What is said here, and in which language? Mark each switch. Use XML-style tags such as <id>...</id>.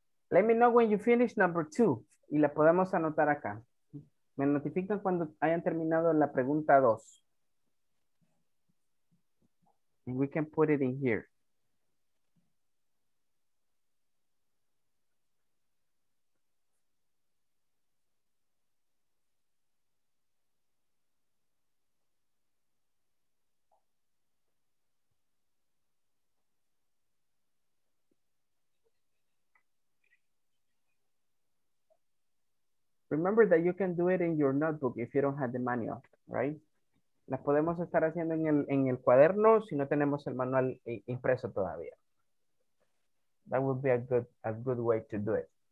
<en>Let me know when you finish number two.</en> <es>Y la podemos anotar acá. Me notifican cuando hayan terminado la pregunta dos.</es> <en>And we can put it in here. Remember that you can do it in your notebook if you don't have the manual, right?</en> <es>La podemos estar haciendo en el cuaderno si no tenemos el manual impreso todavía.</es> <en>That would be a good way to do it.</en>